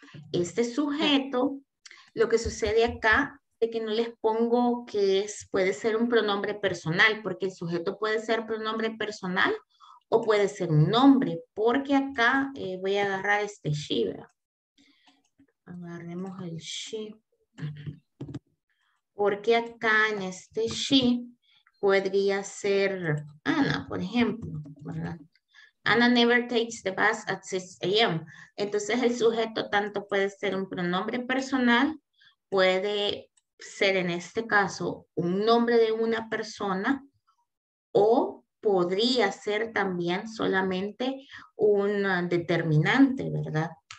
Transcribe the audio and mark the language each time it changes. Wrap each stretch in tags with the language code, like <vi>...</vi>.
<es>Este sujeto, lo que sucede acá, de que no les pongo que es, puede ser un pronombre personal, porque el sujeto puede ser pronombre personal o puede ser un nombre, porque acá voy a agarrar este she, ¿verdad? Agarremos el she. Porque acá en este she podría ser Ana, por ejemplo, ¿verdad?</es> <en>Ana never takes the bus at 6 a.m.</en> <es>Entonces el sujeto tanto puede ser un pronombre personal, puede ser en este caso un nombre de una persona o podría ser también solamente un determinante, ¿verdad?</es>